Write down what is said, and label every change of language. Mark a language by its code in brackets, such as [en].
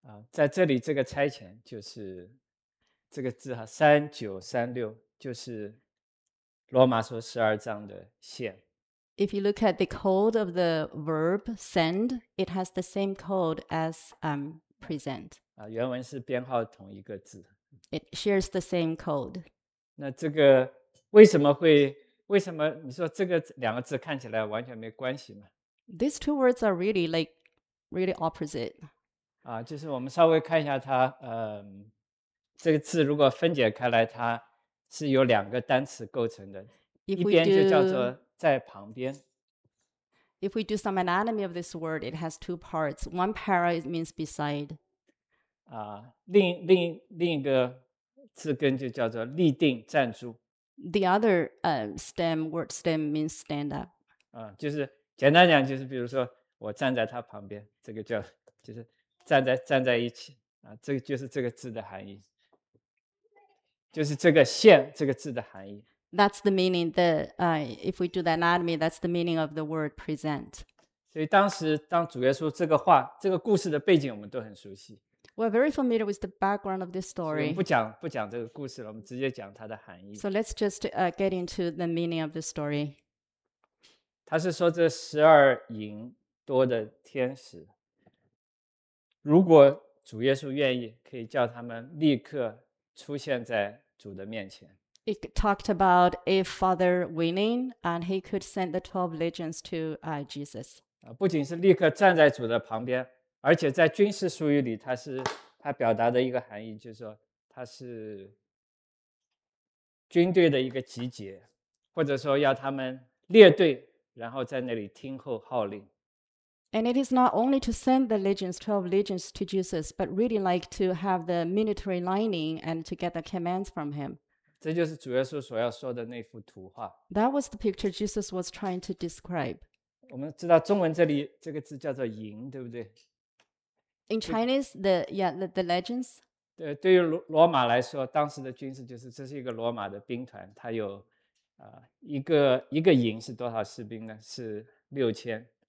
[zh] 在这里这个差遣就是这个字哈，三九三六就是罗马书十二章的线。 [en] If you look at the code of the verb send, it has the same code as present. [zh] 原文是编号同一个字。 [en] It shares the same code. [zh] 那这个为什么你说这个两个字看起来完全没关系吗？ [en] These two words are really like really opposite. [zh] 就是我们稍微看一下它，这个字如果分解开来，它是由两个单词构成的，一边就叫做在旁边。 [en] If we do some anatomy of this word, it has two parts. One para means beside. [zh] 另一个字根就叫做立定站住。 [en] The other word stem means stand up. [zh] 就是简单讲，就是比如说我站在他旁边，这个叫就是站在一起啊，这个就是这个字的含义。就是这个线这个字的含义。 [en] That's the meaning. If we do the anatomy, that's the meaning of the word present. [zh] 所以当时当主耶稣这个话、这个故事的背景，我们都很熟悉。 [en] We're very familiar with the background of this story. [zh] 所以不讲这个故事了，我们直接讲它的含义。 [en] So let's just get into the meaning of the story. [zh] 他是说这十二营多的天使，如果主耶稣愿意，可以叫他们立刻出现在主的面前。 [en] It talked about if Father willing, and he could send the 12 legions to Jesus. [zh] 不仅是立刻站在主的旁边，而且在军事术语里，他表达的一个含义就是说，他是军队的一个集结，或者说要他们列队，然后在那里听候号令。 [en] And it is not only to send the legions, 12 legions to Jesus, but really like to have the military lining and to get the commands from him. [zh] 这就是主耶稣所要说的那幅图画。 [en] That was the picture Jesus was trying to describe. [zh] 我们知道中文这里这个字叫做营，对不对？ [en] In Chinese, the legends. [zh] 对于罗马来说，当时的军事就是这是一个罗马的兵团，它有一个营是多少士兵呢？是6000。